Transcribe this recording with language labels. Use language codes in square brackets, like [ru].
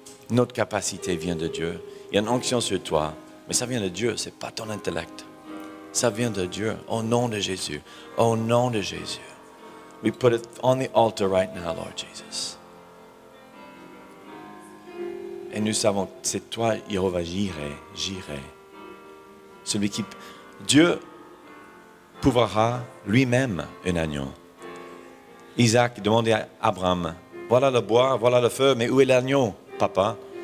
[fr] Notre capacité vient de Dieu. Il y a une onction sur toi. Mais ça vient de Dieu, ce n'est pas ton intellect. Ça vient de Dieu, au nom de Jésus. Au nom de Jésus. [en] We put it on the altar right now, Lord Jesus. [fr] Et nous savons que c'est toi, Jéhovah, j'irai. Celui qui... Dieu pourvoira lui-même un agneau. Isaac demandait à Abraham, voilà le bois, voilà le feu, mais où est l'agneau, papa?